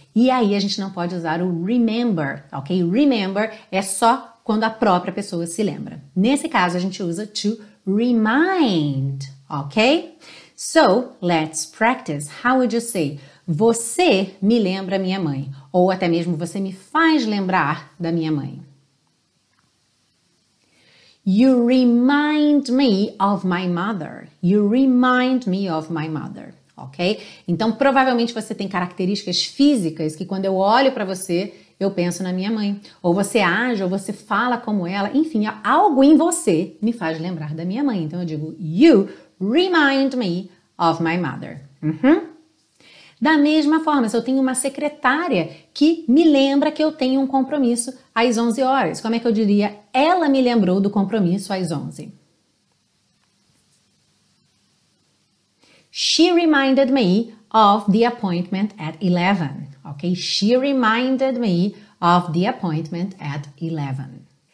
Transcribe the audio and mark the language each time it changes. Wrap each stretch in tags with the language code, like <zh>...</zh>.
<pt>E aí a gente não pode usar o remember, ok? Remember é só quando a própria pessoa se lembra. Nesse caso, a gente usa to remind, ok?</pt> <en>So, let's practice. How would you say?</en> <pt>Você me lembra minha mãe. Ou até mesmo, você me faz lembrar da minha mãe.</pt> <en>You remind me of my mother. You remind me of my mother. Ok?</en> <pt>Então, provavelmente você tem características físicas que quando eu olho para você, eu penso na minha mãe. Ou você age, ou você fala como ela. Enfim, algo em você me faz lembrar da minha mãe. Então, eu digo,</pt> <en>you remind me of my mother. Uhum.</en> <pt>Da mesma forma, se eu tenho uma secretária que me lembra que eu tenho um compromisso às 11 horas, como é que eu diria? Ela me lembrou do compromisso às 11.</pt> <en>She reminded me of the appointment at 11. Ok? She reminded me of the appointment at 11.</en>